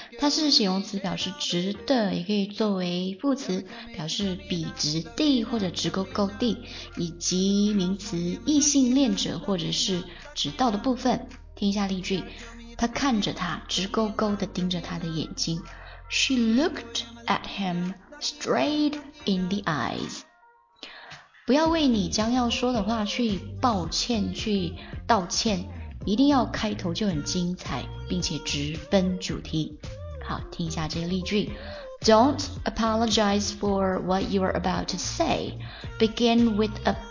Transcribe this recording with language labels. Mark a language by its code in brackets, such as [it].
[zh] 它是形容词，表示直的，也可以作为副词，表示笔直地或者直勾勾地，以及名词异性恋者或者是直到的部分。听一下例句，他看着他，直勾勾地盯着他的眼睛。 [en] She looked at him straight in the eyes. [zh] 不要为你将要说的话去抱歉，去道歉，一定要开头就很精彩，并且直奔主题。好，听一下这个例句。 [en] Don't apologize for what you are about to say. Begin with a